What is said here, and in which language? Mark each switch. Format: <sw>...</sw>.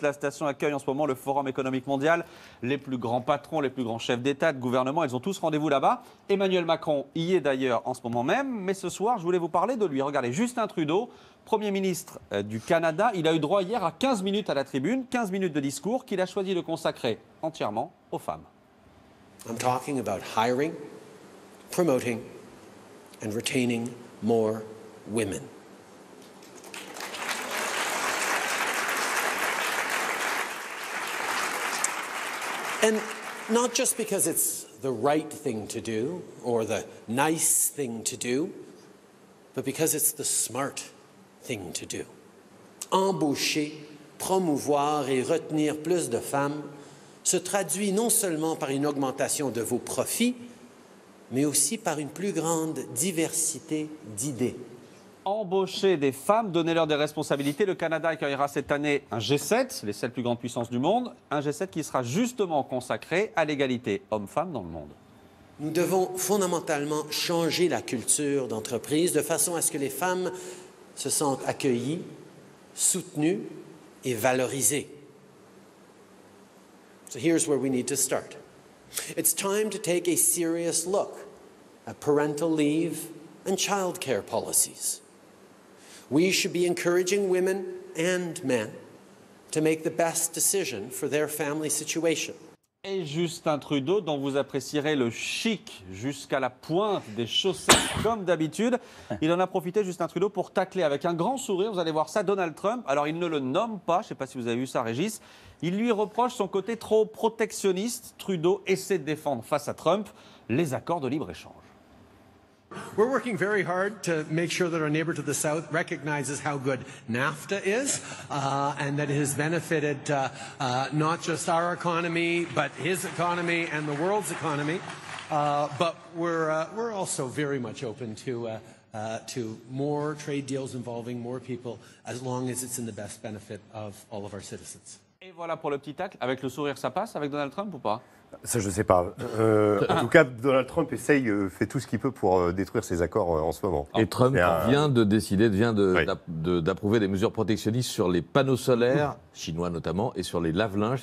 <fr>La station accueille en ce moment le Forum économique mondial. Les plus grands patrons, les plus grands chefs d'État, de gouvernement, ils ont tous rendez-vous là-bas. Emmanuel Macron y est d'ailleurs en ce moment même. Mais ce soir, je voulais vous parler de lui. Regardez, Justin Trudeau, Premier ministre du Canada, il a eu droit hier à 15 minutes à la tribune, 15 minutes de discours qu'il a choisi de consacrer entièrement aux femmes.</fr> <en>I'm talking about hiring, promoting and retaining more women. And not just because it's the right thing to do or the nice thing to do, but because it's the smart thing to do.</en> <fr>Embaucher, promouvoir et retenir plus de femmes se traduit non seulement par une augmentation de vos profits, mais aussi par une plus grande diversité d'idées. Embaucher des femmes, donner-leur des responsabilités. Le Canada accueillera cette année un G7, les 7 plus grandes puissances du monde, un G7 qui sera justement consacré à l'égalité hommes-femmes dans le monde. Nous devons fondamentalement changer la culture d'entreprise de façon à ce que les femmes se sentent accueillies, soutenues et valorisées.</fr> <en>So here's where we need to start. It's time to take a serious look at parental leave and childcare policies. We should be encouraging women and men to make the best decision for their family situation.</en> <fr>Et Justin Trudeau, dont vous apprécierez le chic jusqu'à la pointe des chaussettes, comme d'habitude. Il en a profité, Justin Trudeau, pour tacler avec un grand sourire, vous allez voir ça, Donald Trump. Alors, il ne le nomme pas, je ne sais pas si vous avez vu ça, Régis. Il lui reproche son côté trop protectionniste. Trudeau essaie de défendre face à Trump les accords de libre-échange.</fr> <en>We're working very hard to make sure that our neighbor to the south recognizes how good NAFTA is and that it has benefited not just our economy, but his economy and the world's economy. But we're also very much open to more trade deals involving more people as long as it's in the best benefit of all of our citizens.</en> <fr>Et voilà pour le petit tacle. Avec le sourire, ça passe avec Donald Trump ou pas ? Ça, je ne sais pas. En tout cas, Donald Trump essaye, fait tout ce qu'il peut pour détruire ses accords en ce moment. Et Trump vient d'approuver des mesures protectionnistes sur les panneaux solaires, chinois notamment, et sur les lave-linges.</fr>